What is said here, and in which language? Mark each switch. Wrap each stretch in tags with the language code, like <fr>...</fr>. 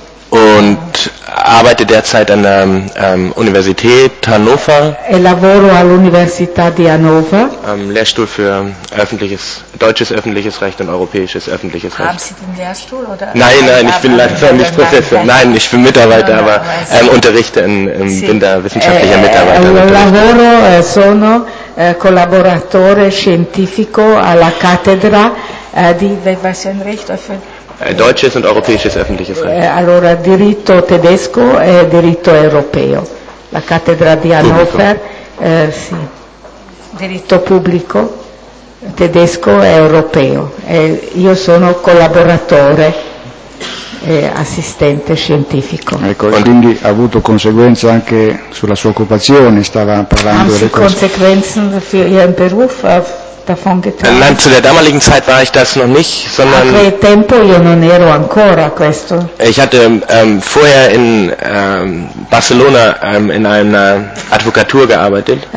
<de>Und arbeite derzeit an der Universität Hannover.</de> <it>E lavoro all'Università di Hannover.</it> <de>Lehrstuhl für deutsches öffentliches Recht und europäisches öffentliches Recht. Haben Sie den Lehrstuhl oder? Nein, ich bin leider nicht Professor. Nein, ich bin Mitarbeiter, aber unterrichte bin da wissenschaftlicher Mitarbeiter.</de> <it>Lavoro sono collaboratore scientifico alla cattedra di Recht</it> <de>deutsches und europäisches öffentliches Recht.</de> <it>Allora, diritto tedesco e diritto europeo. La cattedra di Hannover, sì. Diritto pubblico tedesco e europeo. Io sono collaboratore e assistente scientifico. Ecco, e quindi ha avuto conseguenze anche sulla sua occupazione, stava parlando delle</it> <de>Konsequenzen für ihren Beruf? Nein, zu der damaligen Zeit war ich das noch nicht, sondern</de> <it>a quel tempo io non ero ancora questo.</it> <de>Ich hatte vorher in Barcelona in einer Advokatur gearbeitet.</de>